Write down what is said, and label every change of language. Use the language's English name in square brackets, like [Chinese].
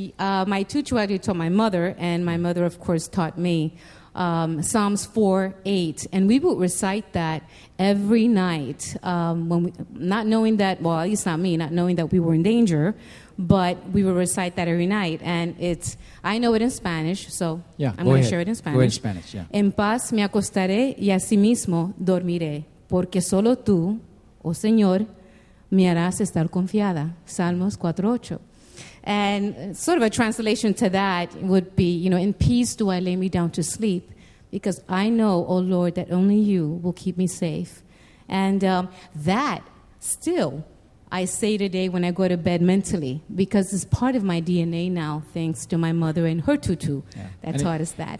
[English] My tutu actually taught my mother, and my mother, of course, taught me Psalms 4:8. And we would recite that every night, not knowing that, well, at least not me, not knowing that we were in danger, but we would recite that every night. And I know it in Spanish, so yeah, I'm going to share it in Spanish. Go ahead in Spanish, yeah. [Spanish] En paz me acostaré y asimismo dormiré, porque solo tú, oh Señor, me harás estar confiada. Salmos 4:8. [English] And sort of a translation to that would be, you know, in peace do I lay me down to sleep, because I know, O Lord, that only you will keep me safe. And that still I say today when I go to bed mentally, because it's part of my DNA now, thanks to my mother and her tutu that and taught us that.